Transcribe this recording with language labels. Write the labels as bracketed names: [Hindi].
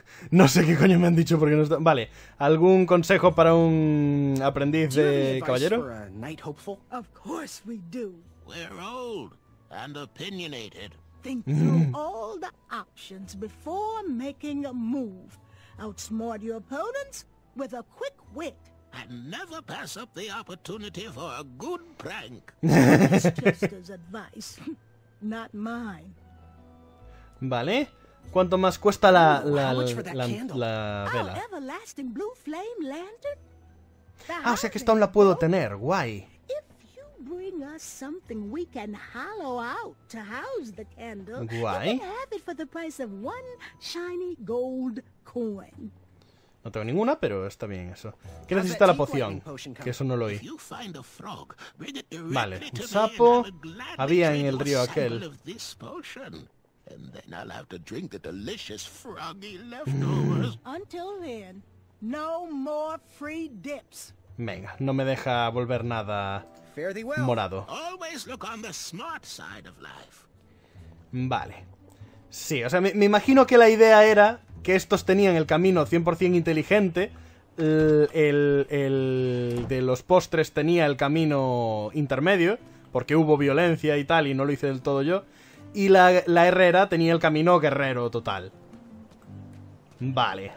[Spanish] No sé qué coño me han dicho porque no está... Vale, ¿algún consejo para un aprendiz de caballero? [English] Of course we do. We're old and opinionated. Think through all the options before making a move. Outsmart your opponents with a quick wit. And never pass up the opportunity for a good prank. That's Chester's advice, not mine. [Spanish] Vale. ¿Cuánto más cuesta la vela? [English] Our everlasting blue flame lantern? [Spanish] Ah, o sea que esta aún la puedo tener. Guay. [English] Bring us something we can hollow out to house the candle. [Spanish] Guay. [English] You can have it for the price of one shiny gold coin. [Spanish] No tengo ninguna, pero está bien eso. ¿Qué necesita la poción? Que eso no lo oí. [English] Frog, [Spanish] vale, un sapo había en el río aquel. [English] And then I'll have to drink the delicious froggy leftovers. Until then, no more free dips. [Spanish] Venga, no me deja volver nada. Morado. [English] Always look on the smart side of life. [Spanish] Vale. Sí, o sea, me imagino que la idea era que estos tenían el camino 100% inteligente. El de los postres tenía el camino intermedio, porque hubo violencia y tal, y no lo hice del todo yo. Y la herrera tenía el camino guerrero total. Vale.